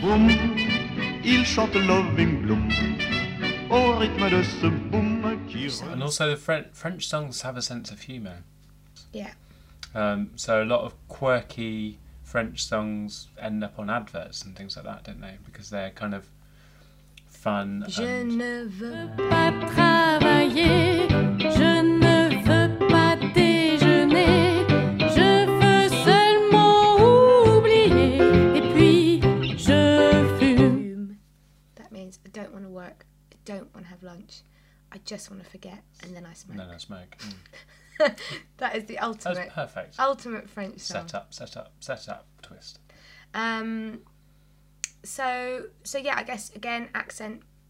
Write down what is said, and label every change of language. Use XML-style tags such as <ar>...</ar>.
<fr>Boom, il chante</fr> <en>loving bloom.</en> <fr>Au rythme de ce boom.</fr> <en>And also the French songs have a sense of humour. Yeah. So a lot of quirky French songs end up on adverts and things like that, don't they? Because they're kind of fun.</en> <fr>Je ne veux pas travailler, je ne veux pas déjeuner, je veux seulement oublier, et puis je fume.</fr> <en>That means I don't want to work, I don't want to have lunch, I just want to forget, and then I smoke. And then I smoke. Mm. That is the ultimate. That's perfect. Ultimate French song. Set up, twist. So I guess, again, accent.</en>